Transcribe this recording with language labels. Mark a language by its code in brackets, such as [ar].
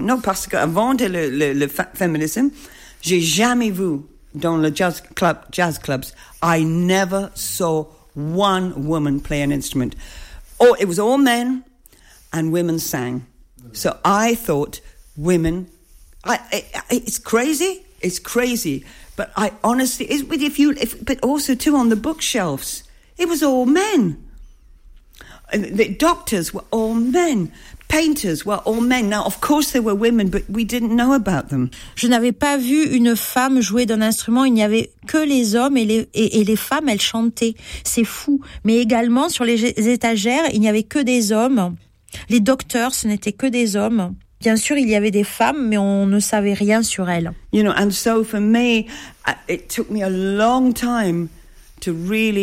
[fr] Non, parce qu'avant le féminisme, j'ai jamais vu dans le jazz clubs, [en] I never saw one woman play an instrument. Oh, it was all men and women sang. So I thought women, it's crazy. But I honestly, but also too on the bookshelves, it was all men. And the doctors were all men. Painters were all men. Now, of course, there were women, but we didn't know about them. [fr] Je n'avais pas vu une femme jouer d'un instrument. Il n'y avait que les hommes et les femmes. Elles chantaient. C'est fou. Mais également sur les étagères, il n'y avait que des hommes. Les docteurs, ce n'étaient que des hommes. Bien sûr, il y avait des femmes, mais on ne savait rien sur elles. [en] You know, and so for me, it took me a long time to really trust that I could play.